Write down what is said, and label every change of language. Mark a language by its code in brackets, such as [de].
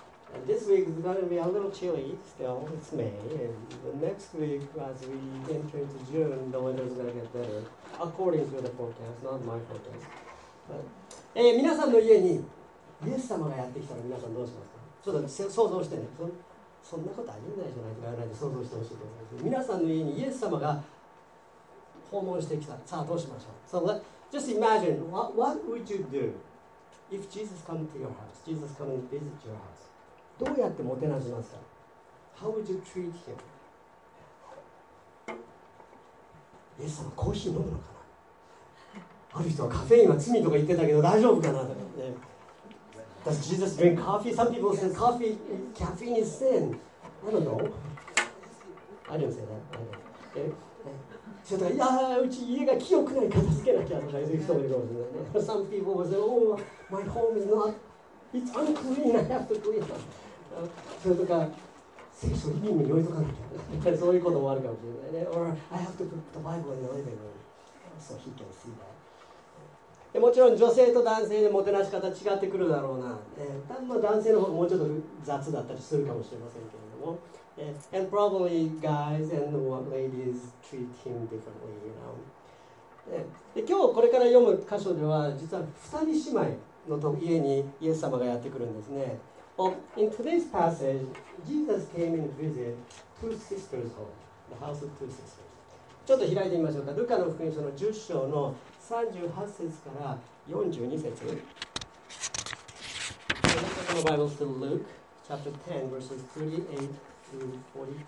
[en] And this week is going to be a little chilly still, it's May, and the next week as we enter into June, the weather is going to get better, according to the forecast, not my forecast. But, [ja] 皆さんの家にイエス様がやってきたら皆さんどうしますか？ちょっと想像してね。そんなことありえないじゃないとか言わないで想像してほしいと思います。皆さんの家にイエス様が訪問してきた。さあどうしましょう。 [en] So just imagine, what would you do if Jesus come to your house? Jesus come and visit your house. [ja] どうやってもてなしますか？ [en] How would you treat him? [ja] イエス様コーヒー飲むのかな？ある人はカフェインは罪とか言ってたけど大丈夫かなとかね。 [en] Does Jesus drink coffee? Some people say coffee, caffeine is sin. I don't know. I didn't say that. I don't know. Okay. [ja] うち家が清くない、片付けなきゃとか言う人もいるかもしれない。 [en] Some people will say, oh, my home is not, it's unclean, I have to clean it. [ja] それとか、聖書リビングに置いとかなきゃ。そういうこともあるかもしれない。 [en] Or, I have to put the Bible in the living room. So he can see that. [ja] もちろん女性と男性でもてなし方違ってくるだろうな。男性の方がもうちょっと雑だったりするかもしれませんけれども。 [en] And probably guys and ladies treat him differently, you know. [ja] で今日これから読む箇所では実は二人姉妹の家にイエス様がやってくるんですね。 [en] Well, in today's passage, Jesus came and visited two sisters' home, the house of two sisters. [ja] ちょっと開いてみましょうか。ルカの福音書の10章の38節から42節。 [en] Let's open the Bible to Luke chapter 10 verses 38 through 42.